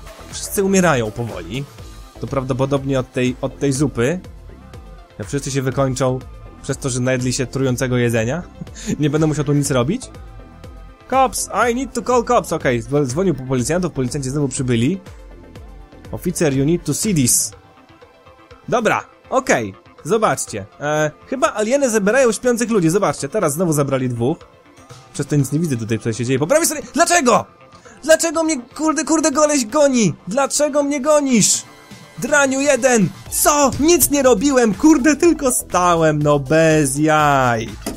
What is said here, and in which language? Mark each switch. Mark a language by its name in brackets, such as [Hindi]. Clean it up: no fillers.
[Polish] Wszyscy umierają powoli. To prawdopodobnie od tej zupy. Jak wszyscy się wykończą przez to, że najedli się trującego jedzenia. Nie będę musiał tu nic robić. [English] Cops! I need to call cops! [Polish] Okej, okay. Dzwonił po policjantów, policjanci znowu przybyli. [English] Oficer, you need to see this. [Polish] Dobra, okej. Okay. Zobaczcie, chyba alieny zebrają śpiących ludzi, zobaczcie, teraz znowu zabrali dwóch. Przez to nic nie widzę tutaj, co się dzieje, poprawię sobie, dlaczego? Dlaczego mnie, kurde goleś goni? Dlaczego mnie gonisz? Draniu jeden, co? Nic nie robiłem, kurde, tylko stałem, no bez jaj.